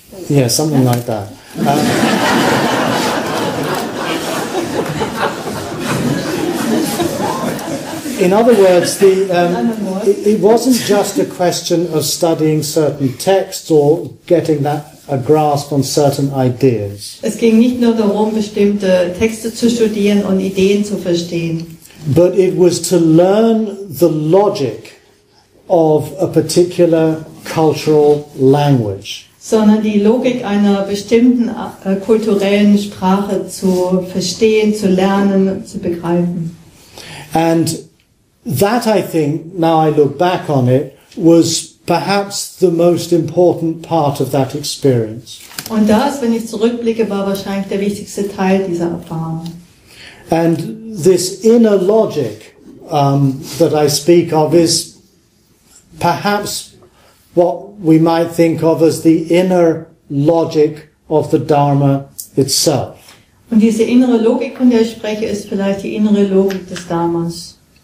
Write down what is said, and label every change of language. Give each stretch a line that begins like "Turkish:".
English: Yeah, something like that. In other words, it wasn't just a question of studying certain texts or getting a grasp on certain ideas.
German: Es ging nicht nur darum, bestimmte Texte zu studieren und Ideen zu verstehen.
English: But it was to learn the logic of a particular cultural language.
German: Sondern die Logik einer bestimmten kulturellen Sprache zu verstehen, zu lernen, zu begreifen.
English: And that, I think, now I look back on it, was perhaps the most important part of that experience.
German: Und das, wenn ich zurückblicke, war wahrscheinlich der wichtigste Teil dieser Erfahrung.
English: And this inner logic that I speak of is perhaps what we might think of as the inner logic of the Dharma itself.
German: Und diese innere Logik, von der ich spreche, ist vielleicht die innere Logik des Dharmas.